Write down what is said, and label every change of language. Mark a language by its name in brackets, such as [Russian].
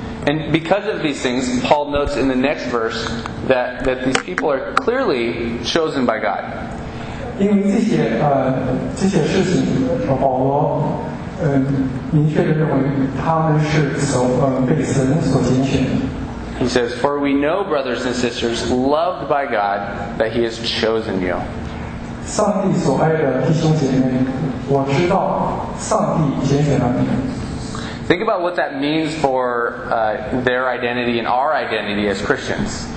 [English] And because of these things, Paul notes in the next verse that these people are clearly chosen by God. [Chinese] 因为这些事情，保罗明确地认为他们是被神所拣选。 [English] He says, "For we know, brothers and sisters, loved by God, that He has chosen you." [Chinese] 上帝所爱的弟兄姐妹，我知道上帝拣选了你。 [English] Think about what that means for their identity and our identity as Christians.